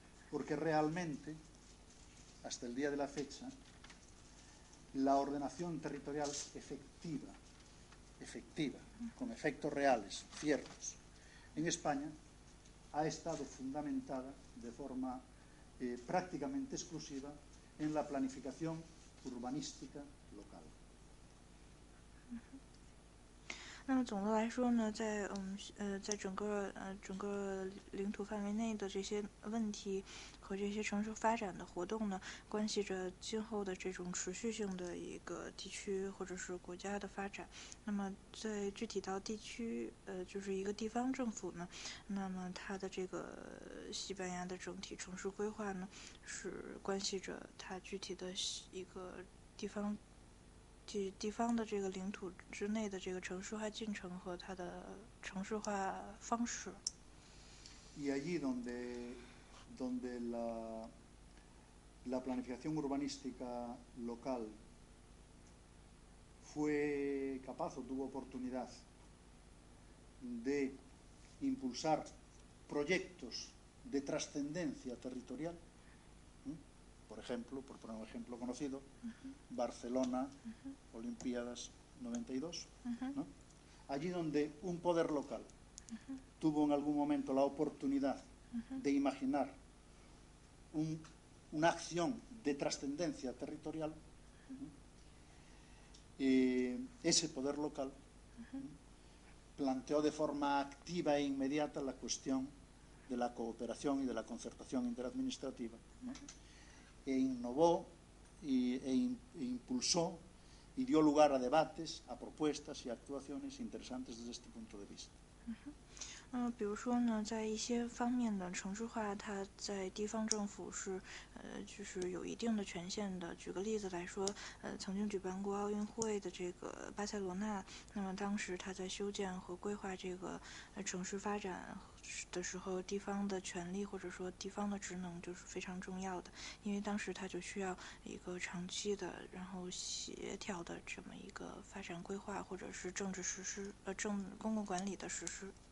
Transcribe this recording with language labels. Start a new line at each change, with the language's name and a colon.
Spanish: Porque realmente, hasta el día de la fecha, la ordenación territorial efectiva, con efectos reales, ciertos, en España, ha estado fundamentada de forma prácticamente exclusiva en la planificación urbanística local.
Chinese: 那么总的来说呢，在在整个领土范围内的这些问题和这些城市发展的活动呢，关系着今后的这种持续性的一个地区或者是国家的发展。那么在具体到地区，就是一个地方政府呢，那么它的这个西班牙的整体城市规划呢，是关系着它具体的一个地方的这个领土之内的这个城市化进程和它的城市化方式。
Spanish: Y allí donde la planificación urbanística local fue capaz o tuvo oportunidad de impulsar proyectos de trascendencia territorial, por ejemplo, por poner un ejemplo conocido, Barcelona, Olimpiadas 92, ¿no? Allí donde un poder local tuvo en algún momento la oportunidad de imaginar una acción de trascendencia territorial, ese poder local planteó de forma activa e inmediata la cuestión de la cooperación y de la concertación interadministrativa, ¿no?, e innovó e impulsó y dio lugar a debates, a propuestas y actuaciones interesantes desde este punto de vista.
Chinese: 比如说呢，在一些方面的城市化，它在地方政府是就是有一定的权限的。举个例子来说，曾经举办过奥运会的这个巴塞罗那，那么当时它在修建和规划这个城市发展的时候，地方的权力或者说地方的职能就是非常重要的，因为当时它就需要一个长期的然后协调的这么一个发展规划或者是政治实施公共管理的实施。